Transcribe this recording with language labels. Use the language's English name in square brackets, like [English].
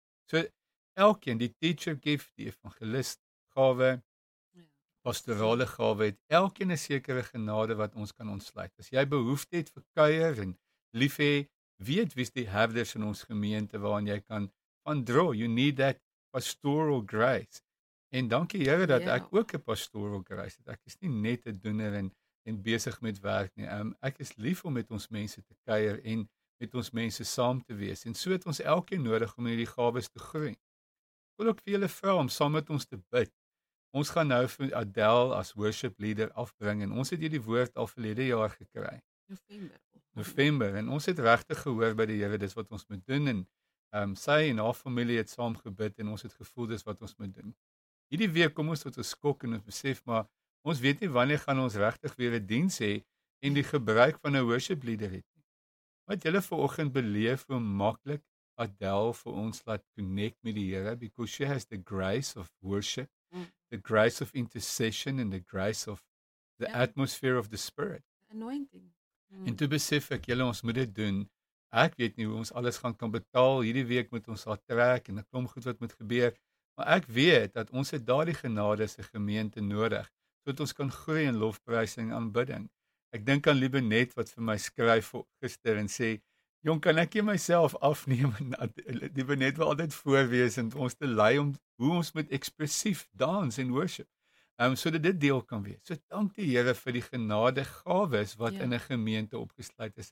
[Afrikaans] So, elkeen, die teacher gift, die evangelist gawe, pastorale gawe het, elkeen 'n sekere genade wat ons kan ontsluit. As jy behoefte het vir kuier en lief hê, weet wie's die herders in ons gemeente waaraan jy kan van draw. [English] You need that pastoral grace. [Afrikaans] En dankie Here dat ek ook 'n pastoral grace het. Ek is nie net 'n doener en besig met werk nie. Ek is lief om met ons mense te kuier en met ons mense saam te wees. En so het ons elkeen nodig om hierdie gawes te groei. Ek wil ook vir julle vra om saam met ons te bid. Ons gaan nou vir Adele as worship leader afbring, en ons het hierdie woord al verlede jaar gekry. November. En ons het regtig gehoor by die Here, dis wat ons moet doen, en sy en haar familie het saam gebid, en ons het gevoel dis wat ons moet doen. Hierdie week kom ons tot 'n skok en ons besef, maar ons weet nie wanneer gaan ons regtig weer 'n diens hê en die gebruik van 'n worship leader het nie. Wat julle vanoggend beleef hoe maklik Adele vir ons laat connect met die Here, [English] because she has the grace of worship, the grace of intercession, and the grace of the atmosphere of the Spirit. Anointing. [Afrikaans] En toe besef ek, julle, ons moet dit doen. Ek weet nie hoe ons alles gaan kan betaal. Hierdie week moet ons haar trek en 'n klomp goed wat moet gebeur. Maar ek weet dat ons het daardie genade se gemeente nodig, sodat ons kan groei in lofprysing en aanbidding. Ek dink aan Liebe Net wat vir my skryf gister en sê, jong, kan ek jy myself afneem, en die benet wil altyd voorwees en ons te lei om hoe ons moet ekspressief dans en worship, sodat dit deel kan wees. So dank die Here vir die genade gawes wat in 'n gemeente opgesluit is.